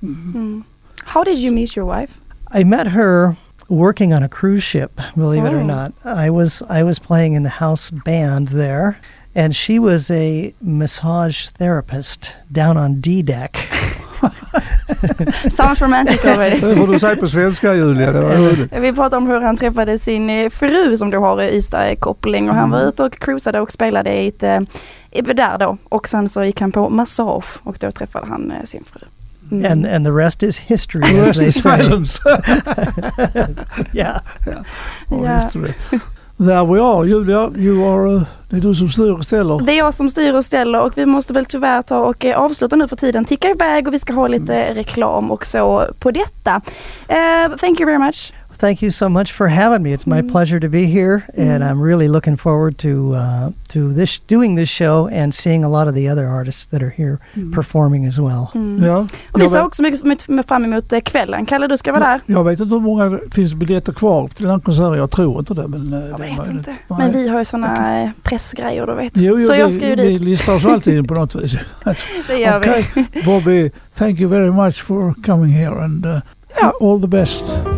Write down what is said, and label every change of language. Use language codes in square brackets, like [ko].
[en] mm-hmm. How did you meet your wife? I met her working on a cruise ship, believe it or not. I was playing in the house band there, and she was a massage therapist down on D-deck. Sounds romantic already. [sv] Det får du säga på svenska, Julia. Vi pratade om hur han träffade sin fru som du har i Ystad-koppling, och han var ute och cruisade och spelade där då. Och sen så gick han på massage, och då träffade han sin fru. [en] Mm. And the rest is history, as rest they is say. History. There we are. [sv] Det är du som styr och ställer. Det är jag som styr och ställer, och vi måste väl tyvärr ta och avsluta nu, för tiden tickar iväg och vi ska ha lite reklam och så på detta. [en] Thank you very much. Thank you so much for having me. It's my pleasure to be here, and I'm really looking forward to this doing this show and seeing a lot of the other artists that are here performing as well. [sv] Mm. Ja. Och vi ser också mycket fram emot kvällen. Kalle, du ska vara där. Jag vet inte hur många finns biljetter kvar till den här konserten. Jag tror inte det. Men vi har ju såna pressgrejer, du vet. Så jag ska ju dit. Vi listar oss alltid in på något vis. Det gör vi. [en] Bobby, thank you very much for coming here, and all the best.